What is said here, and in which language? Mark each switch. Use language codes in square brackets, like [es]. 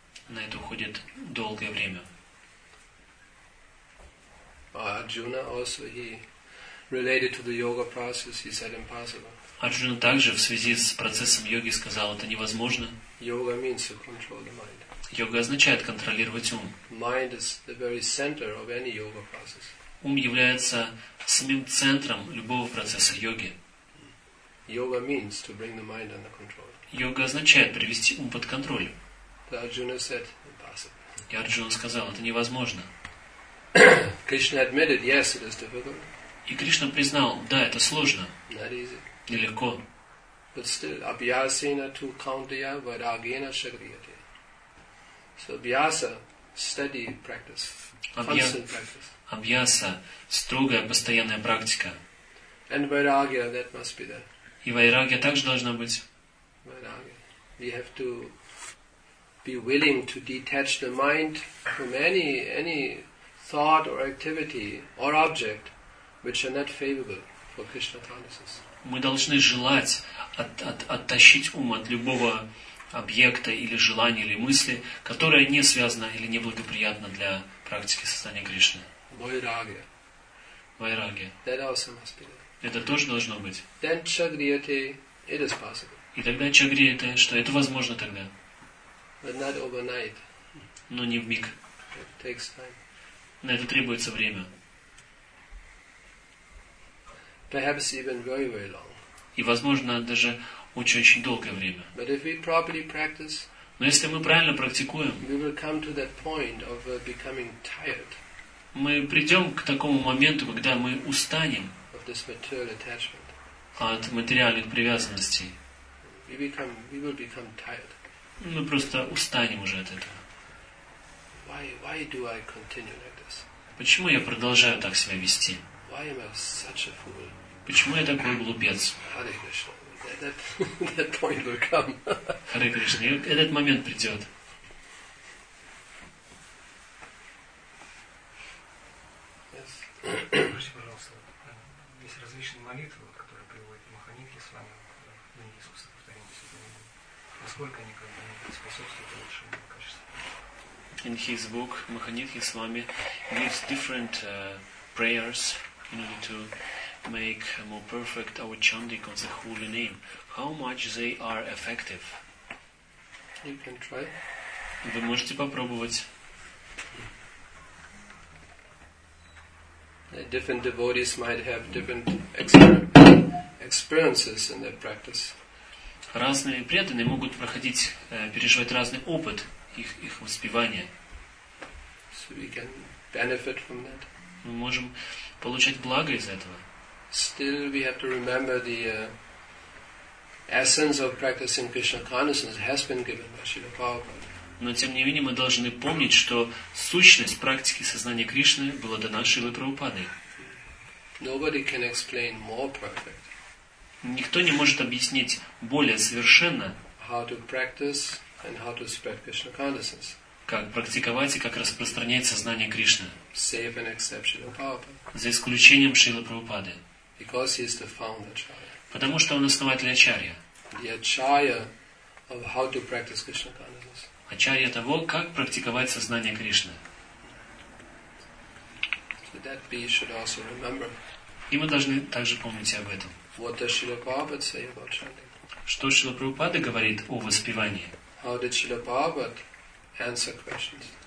[ru] На это уходит долгое время. [en] Arjuna also he related to the yoga process. He said impossible. [ru] Arjuna также в связи с процессом йоги сказал, это невозможно. [en] Yoga means to control the mind. [ru] Йога означает контролировать ум. [en] Mind is the very center of any yoga process. [ru] Ум является самим центром любого процесса йоги. [en] Yoga means to bring the mind under control. [ru] Йога означает привести ум под контроль. [en] The Arjuna said impossible. [ru] И Арджуна сказал, это невозможно. [en] Krishna admitted, yes, it is difficult. [ru] И Кришна признал, да, это сложно. [en] Not easy. [ru] Нелегко. [en] But still, [sa] abhyasena tu kaunteya vairagena shakriyate. [en] So abhyasa, steady practice, constant practice. [ru] Abhyasa, строгая постоянная практика. [en] And vairagya, that must be there. [ru] И вайрагья также должна быть. [en] Vairagya. We have to be willing to detach the mind from any thought or activity or object which are not favorable for Krishna consciousness. [ru] Мы должны желать оттащить ум от любого объекта или желания или мысли, которая не связана или неблагоприятна для практики сознания Кришны. [en] Vairagya. [ru] Vairagya. [en] That also must be there. [ru] Это тоже должно быть. [en] Then chagriyate, it is possible. [ru] И тогда чагриете, что это возможно тогда. [en] But not overnight. [ru] Но не в миг. [en] It takes time. [ru] На это требуется время. [en] Perhaps even very, very long. [ru] И возможно даже очень-очень долгое время. [en] But if we properly practice, [ru] но если мы правильно практикуем, [en] we will come to that point of becoming tired. [ru] Мы придем к такому моменту, когда мы устанем [en] of this material attachment. [ru] От материальных привязанностей. [en] We will become tired. [ru] Мы просто устанем уже от этого. [en] Why do I continue like this? [ru] Почему я продолжаю так себя вести? [en] Why am I such a fool? [ru] Почему я такой глупец? [en] Hare Krishna, that point will come. [ru] Hare Krishna, этот момент придет. [en] Yes. [ru] Скажите, пожалуйста, есть различные молитвы, которые приводят Маханитхи с вами, мы не искусственно повторяемся. Насколько они как бы способствуют улучшению качества? [en] In his book, Mahanithya Swami gives different prayers in order to make more perfect our chanting of the holy name. How much they are effective? You can try. [ru] Вы можете попробовать. [en] Different devotees might have different experiences in their practice. [ru] Разные преданные могут проходить, переживать разный опыт их воспевания. [en] So we can benefit from that. [ru] Мы можем получать благо из этого. [en] Still, we have to remember the essence of practicing Krishna consciousness has been given by Srila Prabhupada. [ru] Но тем не менее мы должны помнить, что сущность практики сознания Кришны была дана Шрилой Прабхупадой. [en] Nobody can explain more perfect. [ru] Никто не может объяснить более совершенно. [en] How to practice and how to spread Krishna consciousness. [ru] Как практиковать и как распространять сознание Кришны. [en] Save an exception of Prabhupada. [ru] За исключением Шрилы Прабхупады. [en] Because he is the founder Acharya. [ru] Потому что он основатель Ачарья. [en] The Acharya of how to practice Krishna consciousness. [ru] Ачарья того, как практиковать сознание Кришны. [en] So that we should also remember. [ru] И мы должны также помнить об этом. [en] What does Srila Prabhupada say about chanting? [ru] Что Шрила Прабхупада говорит о воспевании? [en] How did Srila Prabhupada answer questions?